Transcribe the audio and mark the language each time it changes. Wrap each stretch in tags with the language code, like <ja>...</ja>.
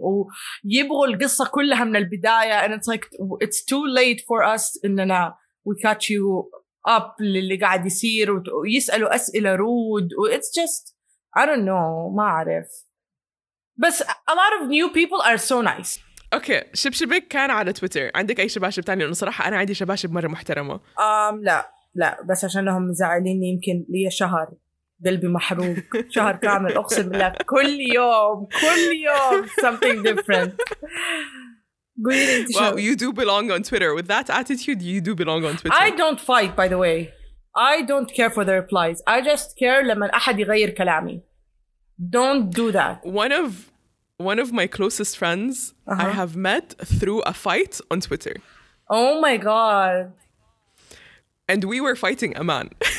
<ar>ويبغوا القصة كلها من البداية.</ar> <en>And it's like, it's too late for us.</en> <ar>إننا,</ar> <en>we catch you up</en> <ar>للي قاعد يصير. ويسألوا أسئلة رود.</ar> <en>It's just, I don't know,</en> <ar>ما أعرف.</ar> <en>But a lot of new people are so nice.</en> <ar>اوكي شبشبك كان على تويتر عندك اي شباشب تاني لانه صراحه انا عندي شباشب مره محترمه لا بس عشانهم مزعليني يمكن لي شهر قلبي محروق شهر كامل اقسم بالله كل يوم</ar> <en>something different Well, you do belong on Twitter. With that attitude, you do belong on Twitter. I don't fight, by the way. I don't care for the replies. I just care</en> <ar>لمن أحد يغير كلامي.</ar> <en>Don't do that. One of my closest friends I have met through a fight on Twitter. Oh my God. And we were fighting a man.</en>